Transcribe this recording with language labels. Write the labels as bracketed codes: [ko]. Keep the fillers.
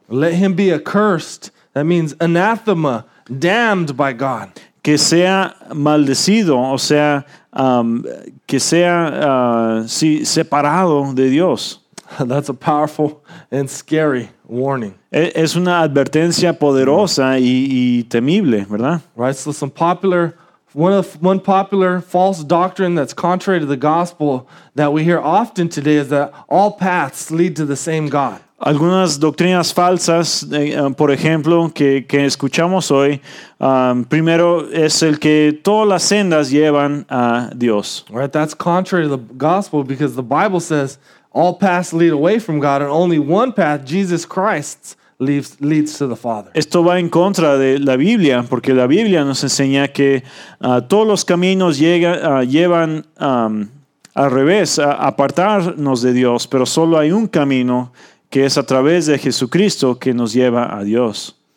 [en] Let him be accursed. That means anathema, damned by God. [es] Que sea maldecido, o sea, um, que sea uh, sí, si, separado de Dios. [en] That's a powerful and scary warning. [es] Es una advertencia poderosa y, y temible, ¿verdad? [en] Right, so some popular one of one popular false doctrine that's contrary to the gospel that we hear often today is that all paths lead to the same God. [es] Algunas doctrinas falsas, por ejemplo, que, que escuchamos hoy, um, primero es el que todas las sendas llevan a Dios. [en] Right, that's contrary to the gospel because the Bible says all paths lead away from God and only one path, Jesus Christ. Leads to the Father. [es] Esto va en contra de la Biblia, porque la Biblia nos enseña que uh, todos los caminos llegan, uh, llevan um, al revés, a apartarnos de Dios, pero solo hay un camino que es a través de Jesucristo que nos lleva a Dios.